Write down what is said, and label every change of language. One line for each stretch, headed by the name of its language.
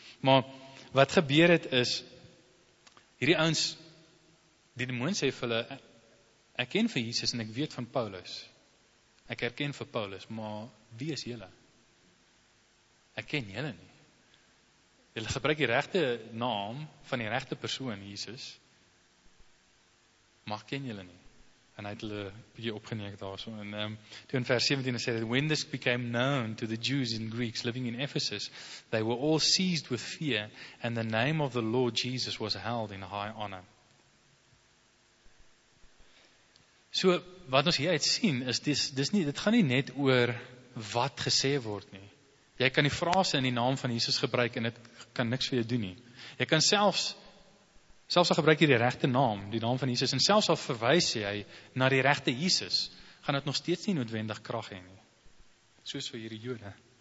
Afrikaans: Maar wat gebeur het is, hierdie ouens, die demoon sê vir hulle, ek ken vir Jesus en ek weet van Paulus. Ek herken vir Paulus, maar wie is julle? Ek ken julle nie. Julle gebruik die regte naam van die regte persoon, Jesus, maar ek ken julle nie. En hy het hulle bietjie opgeneek daar so. En toe in vers 17 sê,
English: when this became known to the Jews and Greeks living in Ephesus, they were all seized with fear, and the name of the Lord Jesus was held in high honor.
Afrikaans: So, wat ons hieruit sien, is dit gaan nie net oor wat gesê word nie. Jy kan die frase in die naam van Jesus gebruik, en dit kan niks vir jou doen nie. Jy kan selfs al gebruik jy die regte naam, die naam van Jesus, en selfs al verwys jy na die regte Jesus, gaan het nog steeds nie noodwendig krag hê nie. Soos vir hierdie Jode.